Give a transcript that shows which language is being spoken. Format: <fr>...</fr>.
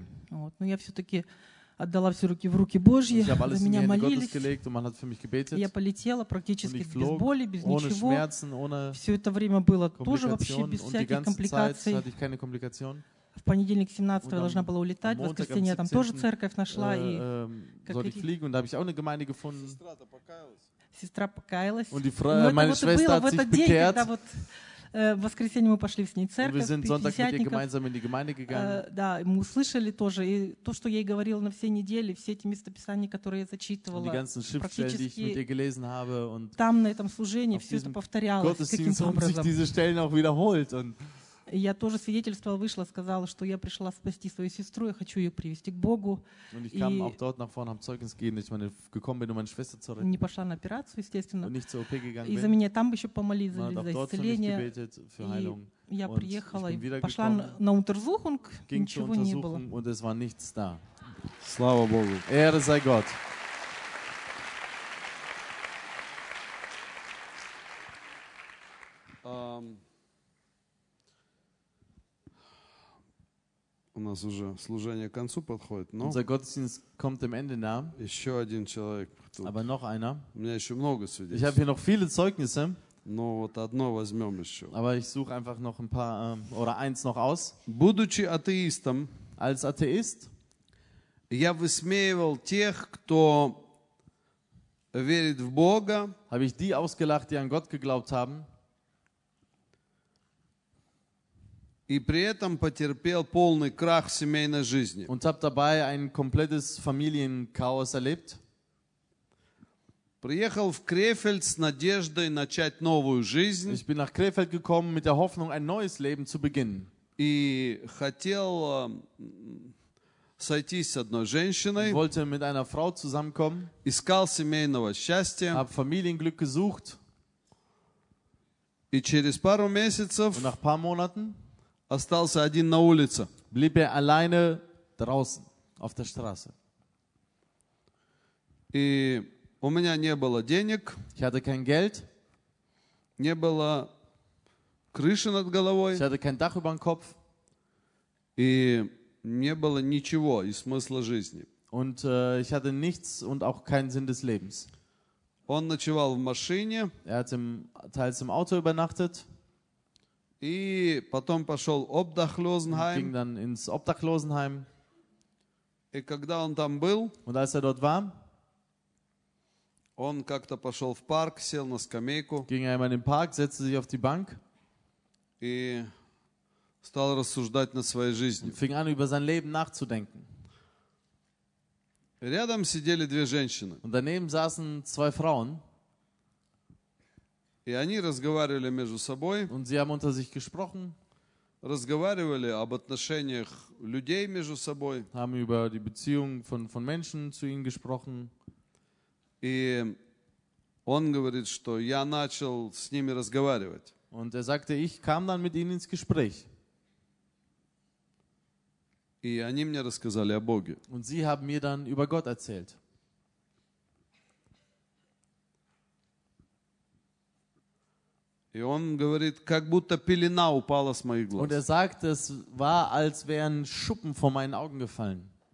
<ru>Вот. Но я все-таки отдала все руки в руки Божьи, за меня молились. Я полетела практически без боли, без ничего. Все это время было тоже вообще без всяких компликаций. В понедельник 17-го я должна была улетать, в воскресенье я там тоже церковь нашла. Сестра-то покаялась. сестра покаялась.</ru> <de>Und die Frau, meine Schwester hat sich bekehrt.</de> <ru>Вот, в воскресенье мы пошли с ней в церковь.</ru> <de>Wir sind Sonntag mit ihr gemeinsam in die Gemeinde gegangen.</de> <ru>Да, мы услышали тоже. И то, что я ей говорила на все недели, все эти места писания, которые я зачитывала,</ru> <de>die ganzen Schriftstellen, die ich mit ihr gelesen habe, und</de> <ru>там, на этом служении, все это повторялось.</ru> <de>Gottesdienst haben sich diese Stellen auch wiederholt. Und</de> <ru>я тоже свидетельствовала, вышла, сказала, что я пришла спасти свою сестру, я хочу ее привести к Богу.</ru> <de>Und ich kam auch dort nach vorne, habe Zeugnis gegeben, dass ich meine, gekommen bin, um meine Schwester zu retten.</de> <ru>Не пошла на операцию, естественно.</ru> <de>Und nicht zur OP gegangen</de> <ru>bin. И за меня там еще помолились за исцеление.</ru> <de>Und dort für Heilung.</de> <ru>Я приехала и пошла на Untersuchung, ничего не было.</ru> <de>Und es war nichts da.</de> <ru>Слава Богу.</ru> <de>Ehre sei Gott.</de> <ru>У нас уже служение к концу подходит, но</ru> <de>unser Gottesdienst kommt dem Ende nah.</de> <ru>Еще один человек</ru> <de>тут. Aber noch einer.</de> <ru>У меня еще много свидетельств.</ru> <de>Ich habe hier noch viele Zeugnisse.</de> <ru>Но вот одно возьмем еще.</ru> <de>Aber ich suche einfach noch ein paar oder eins noch aus.</de> <ru>Будучи атеистом,</ru> <de>als Atheist,</de> <ru>я высмеивал тех, кто верит в Бога.</ru> <de>Habe ich die ausgelacht, die an Gott geglaubt haben.</de> <ru>И при этом потерпел полный крах семейной жизни.</ru> <de>Und hab dabei ein komplettes Familienchaos erlebt.</de> <ru>Приехал в Крефельд с надеждой начать новую жизнь.</ru> <de>Ich bin nach Krefeld gekommen mit der Hoffnung, ein neues Leben zu beginnen.</de> <ru>И хотел сойтись с одной женщиной.</ru> <de>Ich wollte mit einer Frau zusammenkommen.</de> <ru>Искал семейного счастья.</ru> <de>Hab Familienglück gesucht.</de> <ru>И через пару месяцев.</ru> <de>Und nach paar Monaten.</de> <ru>Остался один на улице.</ru> <de>Blieb er alleine draußen auf der Straße.</de> <ru>И у меня не было денег.</ru> <de>Ich hatte kein Geld.</de> <ru>Не было крыши над головой.</ru> <de>Ich hatte kein Dach über dem Kopf.</de> <ru>И не было ничего и смысла жизни.</ru> <de>Und ich hatte nichts und auch keinen Sinn des Lebens.</de> <ru>Он ночевал в машине.</ru> <de>Er hat teils im Auto übernachtet.</de> <ru>И потом пошел Obdachlosenheim.</ru> <de>Ging dann ins Obdachlosenheim.</de> <ru>И когда он там был,</ru> <de>und als er dort war,</de> <ru>он как-то пошел в парк, сел на скамейку,</ru> <de>ging er in den Park, setzte sich auf die Bank,</de> <ru>и стал рассуждать над своей жизнью.</ru> <de>Fing an, über sein Leben nachzudenken.</de> <ru>Рядом сидели две женщины.</ru> <de>Und daneben saßen zwei Frauen.</de> <ru>И они разговаривали между собой.</ru> <de>Und sie haben unter sich gesprochen.</de> <ru>Разговаривали об отношениях людей между собой.</ru> <de>Haben über die Beziehung von Menschen zu ihnen gesprochen.</de> <ru>И он говорит, что я начал с ними разговаривать.</ru> <de>Und er sagte, ich kam dann mit ihnen ins Gespräch.</de> <ru>И они мне рассказали о Боге.</ru> <de>Und sie haben mir dann über Gott erzählt.</de> <ru>И он говорит, как будто пелена упала с моих глаз.</ru> <de>Und er sagt, es war, als wären Schuppen vor meinen Augen gefallen.</de>